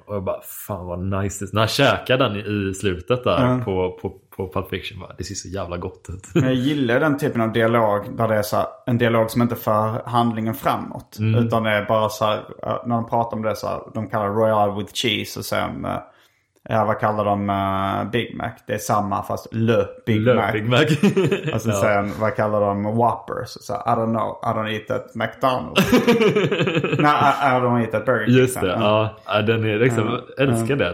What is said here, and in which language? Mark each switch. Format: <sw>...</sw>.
<sv>Och jag bara, fan vad nice det är. När jag käkar den i slutet där på Pulp Fiction, det ser så jävla gott ut. Jag gillar den typen av dialog där det är så här, en dialog som inte för handlingen framåt, utan det är bara så här, när de pratar om det så här, de kallar Royal with cheese och sen vad kallar de Big Mac, det är samma fast Le Big Mac. Och sen, sen vad kallar de Whopper, så här,</sv> <en>I don't know, I don't eat at McDonald's. Nej, I don't eat at Burger King.</en> <sv>Just det, den är liksom, älskar det.</sv>